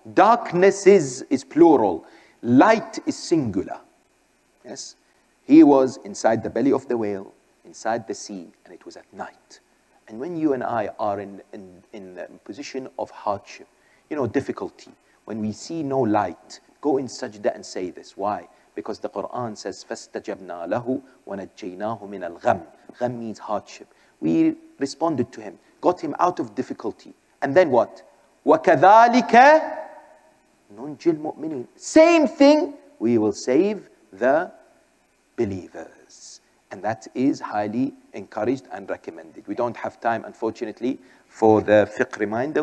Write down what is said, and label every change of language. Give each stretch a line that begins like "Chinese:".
English: Darknesses is plural. Light is singular. Yes. He was inside the belly of the whale, inside the sea, and it was at night. And when you and I are in a position of hardship, you know, difficulty, when we see no light, go in sajda and say this. Why? Because the Quran says,
Arabic: فَاسْتَجَبْنَا لَهُ وَنَجَّيْنَاهُ مِنَ الْغَمِّ.
English: غَمْ means hardship. We responded to him, got him out of difficulty. And then what?
Arabic: وَكَذَلِكَ نُنْجِي الْمُؤْمِنِينَ.
English: Same thing, we will save the believers. And that is highly encouraged and recommended. We don't have time, unfortunately, for the fiqh reminder.